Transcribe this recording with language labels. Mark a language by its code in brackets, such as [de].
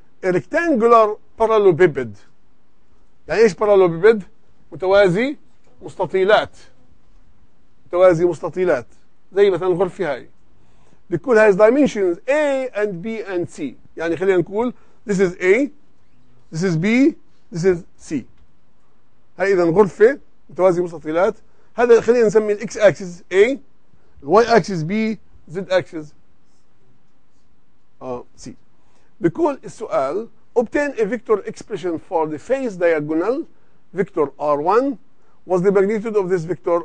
[ar] ريكتانجولار بارالوبيبد، يعني ايش بارالوبيبد؟ متوازي مستطيلات، متوازي مستطيلات زي مثلا الغرفه هاي. [en] بكل هاي dimensions A and B and C. [ar] يعني خلينا نقول [en] this is A this is B this is C. [ar] هاي اذا غرفه متوازي مستطيلات. هذا خلينا نسمي الاكس اكسس اي، الواي اكسس بي، زد اكسس سي. بكل السؤال [en] obtain a vector expression for the phase diagonal vector r1. What's the magnitude of this vector?